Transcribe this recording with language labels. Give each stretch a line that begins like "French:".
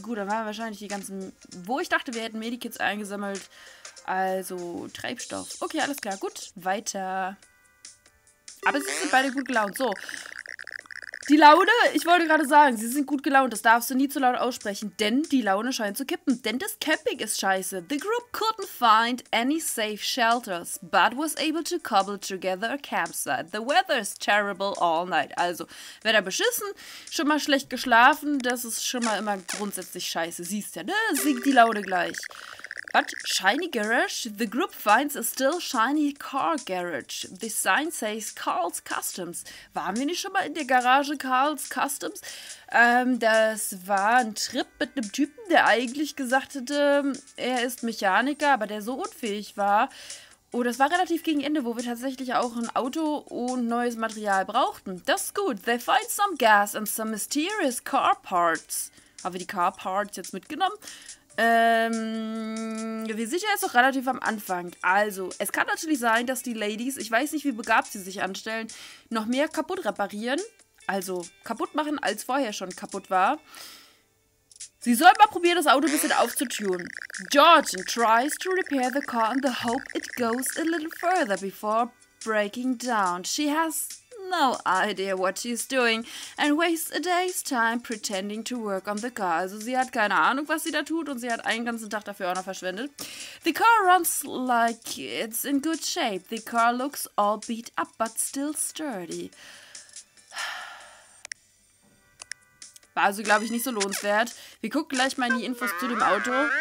German: Gut, dann waren wahrscheinlich die ganzen, wo ich dachte, wir hätten Medikits eingesammelt. Also Treibstoff. Okay, alles klar, gut, weiter. Aber sie sind beide gut gelaunt. So, die Laune, ich wollte gerade sagen, sie sind gut gelaunt. Das darfst du nie zu laut aussprechen, denn die Laune scheint zu kippen. Denn das Camping ist scheiße.
English: The group couldn't find any safe shelters, but was able to cobble together a campsite. The weather's terrible all night.
German: Also, wer da beschissen, schon mal schlecht geschlafen, das ist schon mal immer grundsätzlich scheiße. Siehst ja, ne? Sinkt die Laune gleich.
English: But shiny garage, the group finds a still shiny car garage. The sign says Carl's Customs.
German: Waren wir nicht schon mal in der Garage Carl's Customs? Das war ein Trip mit einem Typen, der eigentlich gesagt hatte, er ist Mechaniker, aber der so unfähig war. Oh, das war relativ gegen Ende, wo wir tatsächlich auch ein Auto und neues Material brauchten. Das ist gut.
English: They find some gas and some mysterious car parts.
German: Haben wir die Car Parts jetzt mitgenommen? Wir sind ja jetzt noch relativ am Anfang. Also, es kann natürlich sein, dass die Ladies, ich weiß nicht, wie begabt sie sich anstellen, noch mehr kaputt reparieren. Also, kaputt machen, als vorher schon kaputt war. Sie soll mal probieren, das Auto ein bisschen aufzutunen.
English: Georgian tries to repair the car in the hope it goes a little further before breaking down. She has no idea what she's doing and wastes a day's time pretending to work on the car.
German: Also sie hat keine Ahnung, was sie da tut und sie hat einen ganzen Tag dafür auch noch verschwendet.
English: The car runs like it's in good shape. The car looks all beat up, but still sturdy.
German: War also, glaube ich, nicht so lohnenswert. Wir gucken gleich mal in die Infos zu dem Auto.